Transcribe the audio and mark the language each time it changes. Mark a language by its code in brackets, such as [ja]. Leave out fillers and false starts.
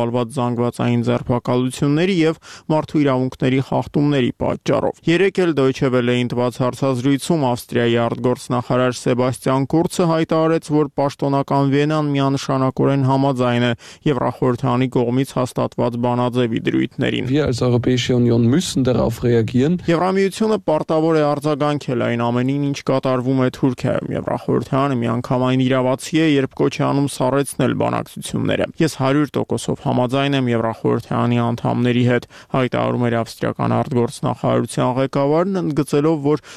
[hy] ալված զանգվածային ձերբակալությունների եւ մարդու իրավունքների խախտումների պատճառով։ Երեք էլ Deutsche Welle-ին տված հարցազրույցում Ավստրիայի արտգործնախարար Սեբաստիան Կուրցը հայտարարեց, որ պաշտոնական Վիենան միանշանակորեն համաձայն է Եվրախորհրդանի կողմից հաստատված բանաձևի դրույթներին։ [de] Wir als Europäische Union müssen darauf reagieren. [hy] Եվրամիությունը պարտավոր է արձագանքել այն ամենին, ինչ կատարվում է Թուրքիայում։ Եվրախորհրդանը միանգամայն իրավացի է, երբ կոչ է անում սառեցնել բանակցությունները։ Ես 100% համաձայն եմ Եվրախորհրդանի անդամների հետ, հայտարարում էր ավստրիական արտգործնախարարության ղեկավարն, ընդգծելով, որ